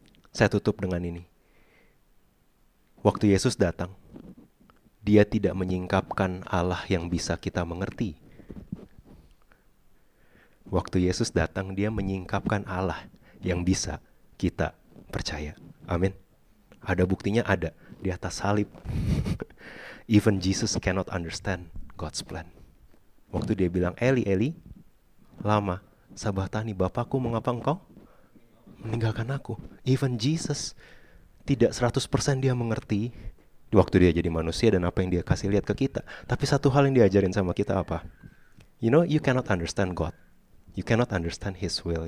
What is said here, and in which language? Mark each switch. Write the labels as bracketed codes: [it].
[id] Saya tutup dengan ini. Waktu Yesus datang, dia tidak menyingkapkan Allah yang bisa kita mengerti. Waktu Yesus datang, dia menyingkapkan Allah yang bisa kita percaya. Amin. Ada buktinya, ada di atas salib. [en] Even Jesus cannot understand God's plan. [id] Waktu dia bilang, [arc] Eli, Eli, lama sabatani, [id] Bapakku, mengapa engkau meninggalkan aku? Even Jesus tidak 100% dia mengerti waktu dia jadi manusia dan apa yang dia kasih lihat ke kita. Tapi satu hal yang diajarin sama kita apa? [en] You know, you cannot understand God. You cannot understand His will.